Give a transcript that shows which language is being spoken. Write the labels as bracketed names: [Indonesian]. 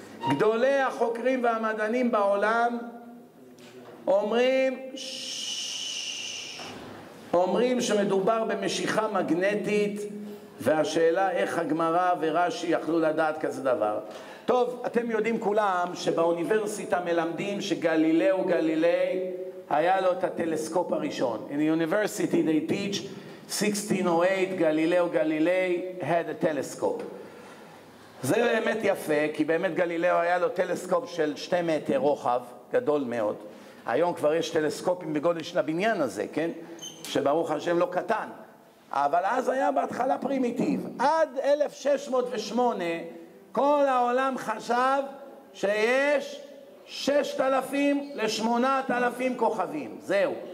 [Hebrew] גדולי החוקרים והמדענים בעולם אומרים, אומרים שמדובר במשיכה מגנטית, והשאלה איך הגמרא ורשי יכלו לדעת כזה דבר. טוב, אתם יודעים כולם שבאוניברסיטה מלמדים שגלילאו גלילי היה לו את הטלסקופ הראשון. [English] In the university they teach 1608 גלילאו גלילי had a telescope. [Hebrew] זה באמת יפה, כי באמת גלילאו היה לו טלסקופ של 2 מטר רוחב, גדול מאוד. היום כבר יש טלסקופים בגודל של הבניין הזה, כן? שברוך השם לא קטן. אבל אז היה בהתחלה פרימיטיב. עד 1608 כל העולם חשב שיש 6,000 ל-8,000 כוכבים. זהו.